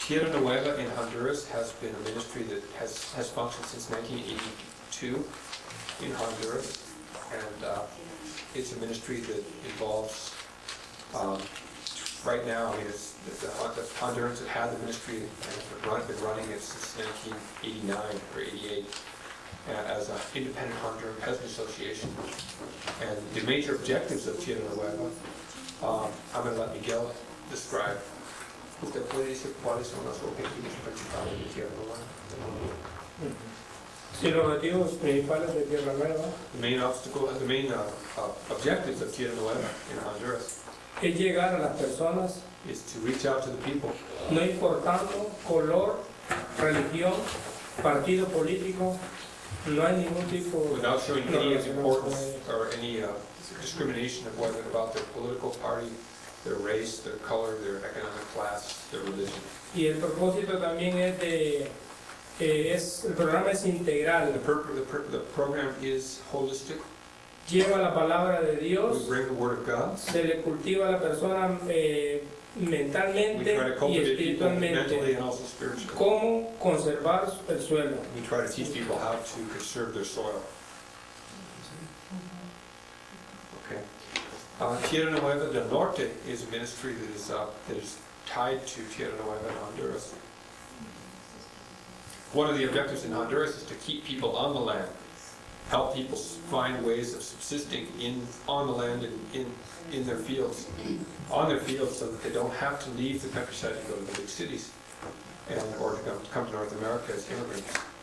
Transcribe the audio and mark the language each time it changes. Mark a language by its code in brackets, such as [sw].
[en] Tierra Nueva in Honduras has been a ministry that has functioned since 1982 in Honduras, and it's a ministry that involves, right now, I mean, the Hondurans have had the ministry and been running it since 1989 or 88. As an independent Honduran peasant association. And the major objectives of Tierra Nueva, I'm going to let Miguel describe. [es] Usted puede decir cuáles son las objetivos principales de Tierra Nueva. Si los objetivos principales de Tierra Nueva. [en] The main obstacle, the main objectives of Tierra Nueva in Honduras. [es] Es llegar a las personas. [en] Is to reach out to the people. [es] No importando color, religión, partido político. [en] Without showing any importance or any discrimination of whether about their political party, their race, their color, their economic class, their religion. [es] Y el propósito también es de el programa es integral. [en] The program is holistic. [es] Lleva la palabra de Dios. [en] We bring the word of God. [es] Se le cultiva a la persona mentalmente y espiritualmente, cómo conservar el suelo. [en] We try to teach people how to conserve their soil. Okay. Tierra Nueva del Norte is a ministry that is tied to Tierra Nueva in Honduras. One of the objectives in Honduras is to keep people on the land, help people find ways of subsisting on the land and in their fields, on their fields, so that they don't have to leave the countryside to go to the big cities, or to come to North America as immigrants.